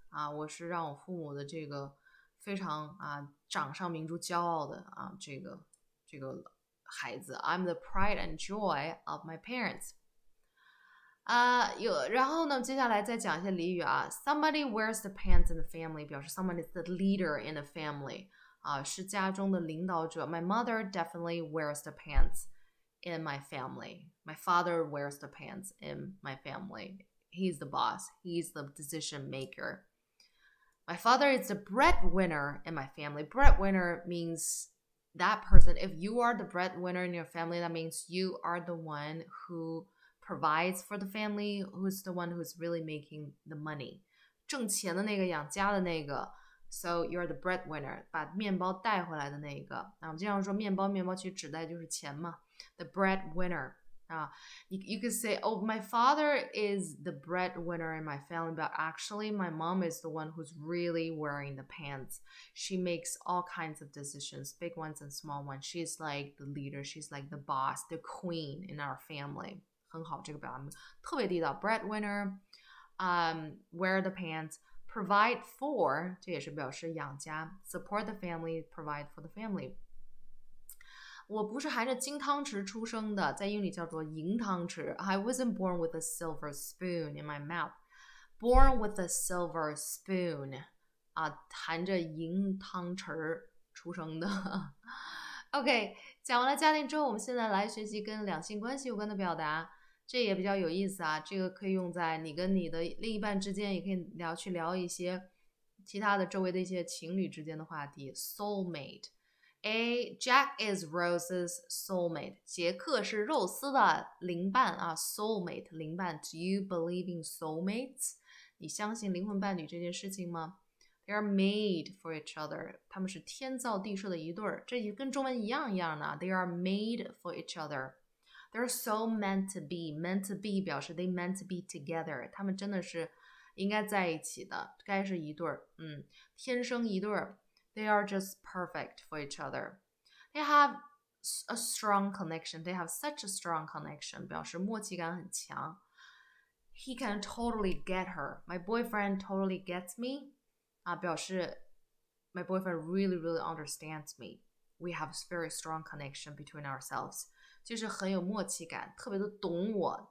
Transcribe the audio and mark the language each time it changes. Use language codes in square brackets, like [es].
[zh] 啊，我是让我父母的这个非常啊掌上明珠骄傲的啊这个孩子。 [en] I'm the pride and joy of my parents。 [zh] 然后呢，接下来再讲一些俚语啊。 [en] Somebody wears the pants in the family [zh] 表示 [en] someone is the leader in the family。 [zh] 啊，是家中的领导者。 [en] My mother definitely wears the pants in my family。 My father wears the pants in my family。 He's the boss. He's the decision maker. My father is the breadwinner in my family. Breadwinner means that person. If you are the breadwinner in your family, that means you are the one who provides for the family, who's the one who's really making the money. [zh] 挣钱的那个，养家的那个。 [en] So you're the breadwinner, [zh] 把面包带回来的那个。那我们经常说面包其实指代就是钱嘛。 [en] The breadwinner。啊，you could say, oh, my father is the breadwinner in my family, but actually, my mom is the one who's really wearing the pants. She makes all kinds of decisions, big ones and small ones. She's like the leader. She's like the boss, the queen in our family. [zh] 很好，这个表达特别地道。 [en] Breadwinner, wear the pants, provide for， [zh] 这也是表示养家， [en] support the family, provide for the family。 [zh] 我不是含着金汤匙出生的，在英语叫做银汤匙。 [en] I wasn't born with a silver spoon in my mouth. Born with a silver spoon， [zh] 含着银汤匙出生的。 OK，讲完了家庭之后，我们现在来学习跟两性关系有关的表达，这也比较有意思啊。这个可以用在你跟你的另一半之间，也可以去聊一些其他的周围的一些情侣之间的话题，soulmate。 [en] A. Jack is Rose's soulmate. [zh] 杰克是肉丝的灵伴啊，soulmate 灵伴。 [en] Do you believe in soulmates? [zh] 你相信灵魂伴侣这件事情吗？ [en] They are made for each other. [zh] 他们是天造地设的一对儿，这也跟中文一样的。 [en] They are made for each other. They're so meant to be. Meant to be [zh] 表示 [en] they meant to be together. [zh] 他们真的是应该在一起的，该是一对儿。嗯，天生一对儿。 [en] They are just perfect for each other. They have a strong connection. They have such a strong connection. [zh] 表示默契感很强。 [en] He can totally get her. My boyfriend totally gets me. [zh] 啊，表示 [en] My boyfriend really, really understands me. We have a very strong connection between ourselves. [zh] 就是很有默契感，特别的懂我。